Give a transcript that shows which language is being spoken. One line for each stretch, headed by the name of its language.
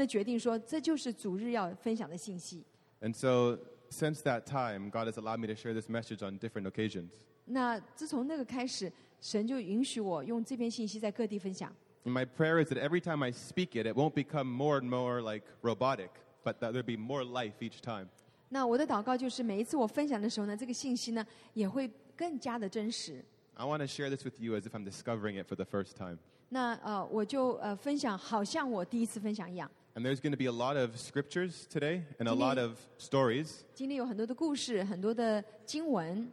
Chinese: 那我们就开始讨论这件事情，真的决定说这就是主日要分享的信息。
English: And so, since that time, God has allowed me to share this message on different occasions.
Chinese: 那自从那个开始，神就允许我用这篇信息在各地分享。
English: My prayer is that every time I speak it, it won't become more and more like robotic, but that there'll be more life each time.
Chinese: 那我的祷告就是每一次我分享的时候呢，这个信息呢也会更加的真实。
English: I want to share this with you as if I'm discovering it for the first time.
Chinese: 那我就分享好像我第一次分享一样。
English: And there's going to be a lot of scriptures today and a lot of stories
Chinese: 今天有很多的故事,很多的经文,